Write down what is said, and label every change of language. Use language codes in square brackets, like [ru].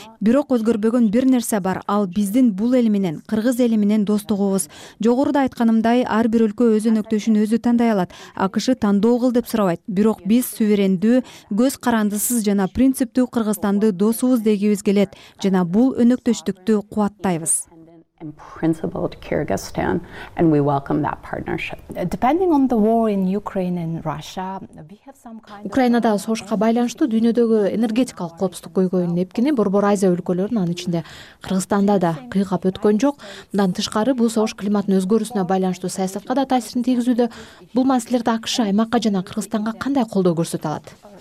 [ky] Бирок өзгөрбөгөн бир нерсе бар, ал биздин бул эл менен, кыргыз эли менен достугубуз. Жогоруда айтканымдай, ар бир өлкө өз өнөктөшүн өзү тандай алат. АКШ тандоо кыл деп сурабайт. Бирок биз суверендүү, көз карандысыз жана принциптүү Кыргызстанды досубуз дегибиз келет жана бул өнөктөштүктү кубаттайбыз. [en] Principled Kyrgyzstan and we welcome that partnership. Depending on the war in Ukraine and Russia, we have some kind of [ky] Украинада согушка байланыштуу дүйнөдөгү энергетикалык коопсуздук көйгөйүнүн эпкини Борбор Азия өлкөлөрүн анын ичинде Кыргызстанда да кыйгап өткөн жок. Мындан тышкары бул согуш климаттын өзгөрүүсүнө байланыштуу саясатка да таасирин тийгизүүдө. Бул маселелерде АКШ аймакка жана Кыргызстанга кандай колдоо көрсөтө алат?